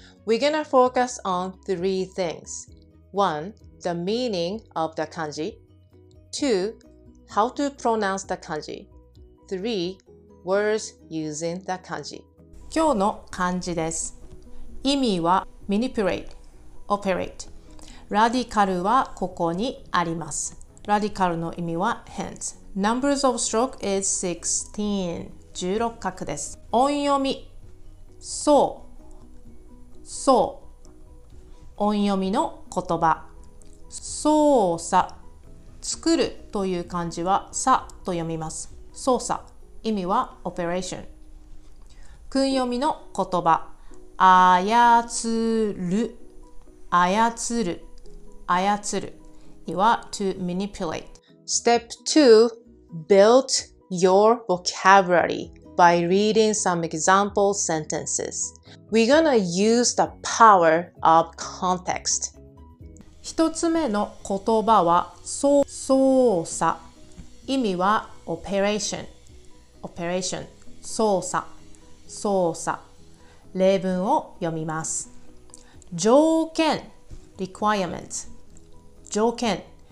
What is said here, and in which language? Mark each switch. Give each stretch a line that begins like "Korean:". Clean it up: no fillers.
English: We're going to focus on three things. 1. The meaning of the kanji. 2. How to pronounce the kanji. 3. Words using the kanji.
Japanese: 今日の漢字です。意味は
English: manipulate, operate.
Japanese: Radical はここにあります。Radical の意味は hence.
English: Numbers of stroke is 16.
Japanese: 16画です。音読み、そう、そう。音読みの言葉。操作、作るという漢字はさと読みます。操作、意味は
English: operation.
Japanese: 訓読みの言葉、操る、操る、操る、は
English: to manipulate. Step 2, build your vocabulary by reading some example sentences. We're gonna use the power of context.
Japanese: 一つ目の言葉は操作、意味は
English: operation, operation,
Japanese: 操作。操作。例文を読みます。条件、requirements。条件。